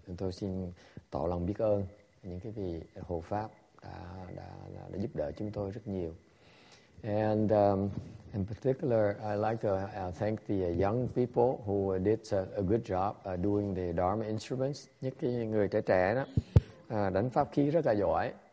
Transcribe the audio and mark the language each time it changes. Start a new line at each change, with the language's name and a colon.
Vietnamese: And tôi xin tỏ lòng biết ơn những cái vị hộ pháp đã giúp đỡ chúng tôi rất nhiều.
English: And in particular, I'd like to thank the young people who did a good job doing the Dharma instruments.
Vietnamese: Những cái người trẻ đó đánh pháp khí rất là giỏi.